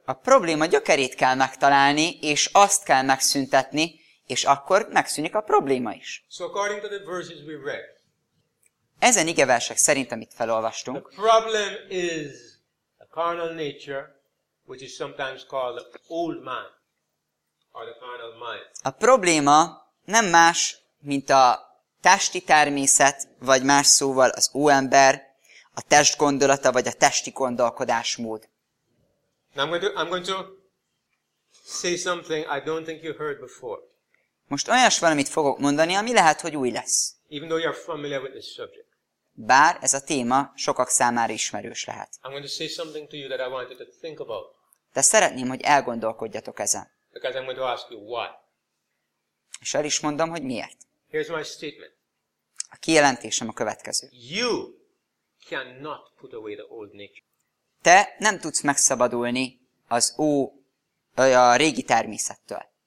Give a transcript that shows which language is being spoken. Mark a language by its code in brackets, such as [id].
[hu] A probléma gyökerét kell megtalálni és azt kell megszüntetni. És akkor megszűnik a probléma is. [en] So according to the verses we read, [hu] ezen igeversek szerint, amit felolvastunk, [en] the problem is a carnal nature, which is sometimes called the old man, or the carnal mind. [hu] A probléma nem más, mint a testi természet, vagy más szóval az óember, a test gondolata, vagy a testi gondolkodásmód. [en] Now I'm going to say something I don't think you heard before. [hu] Most olyas valamit fogok mondani, ami lehet, hogy új lesz. [en] Even though you're familiar with this subject. [hu] Bár ez a téma sokak számára ismerős lehet. [en] I'm going to say something to you that I wanted to think about. [hu] De szeretném, hogy elgondolkodjatok ezen. [en] Because I'm going to ask you why. [hu] És el is mondom, hogy miért. [en] Here's my statement. [hu] A kijelentésem a következő. [en] You cannot put away the old nature. [hu] Te nem tudsz megszabadulni az a régi természettől.